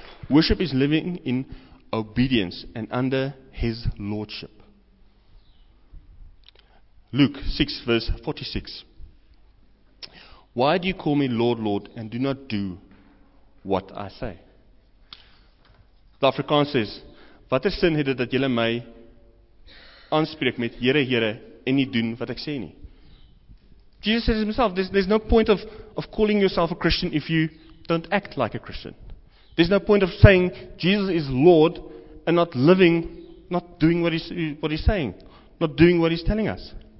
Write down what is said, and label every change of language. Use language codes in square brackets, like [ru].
[en] Worship is living in obedience and under His lordship. Luke 6 verse 46. Why do you call me Lord, Lord, and do not do what I say? The Afrikaans says, [af] Watter sin het dit dat julle my aanspreek met Here, Here, en nie doen wat ek sê nie? [en] Jesus says himself, there's no point of calling yourself a Christian if you don't act like a Christian. There's no point of saying Jesus is Lord and not living, not doing what he's saying, not doing what he's telling us.